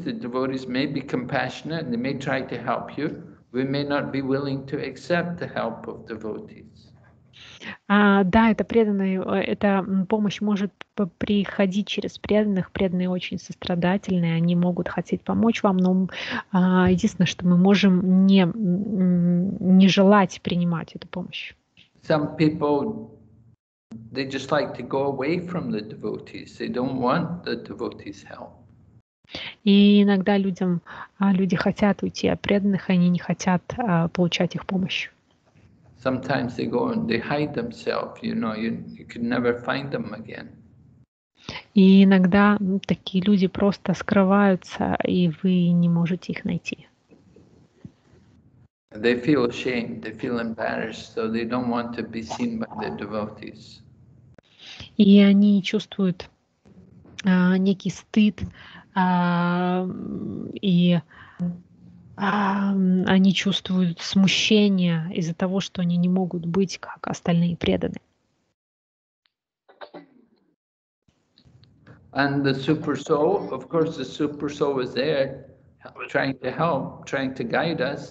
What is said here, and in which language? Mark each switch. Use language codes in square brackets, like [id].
[en] The devotees may be compassionate and they may try to help you. We may not be willing to accept the help of devotees. [ru] Да, это преданные, эта помощь может приходить через преданных. Преданные очень сострадательные, они могут хотеть помочь вам, но единственное, что мы можем не желать принимать эту помощь. [en] Some people, they just like to go away from the devotees. They don't want the devotees' help. [ru] И иногда люди хотят уйти от преданных, они не хотят получать их помощь. [en] Sometimes they go and they hide themselves, you know, you can never find them again. [ru] И иногда такие люди просто скрываются, и вы не можете их найти. [en] They feel ashamed, they feel embarrassed, so they don't want to be seen by the devotees. [ru] И они чувствуют некий стыд, и они чувствуют смущение из-за того, что они не могут быть как остальные преданные. [en] And the super soul, of course, the super soul is there, trying to help, trying to guide us.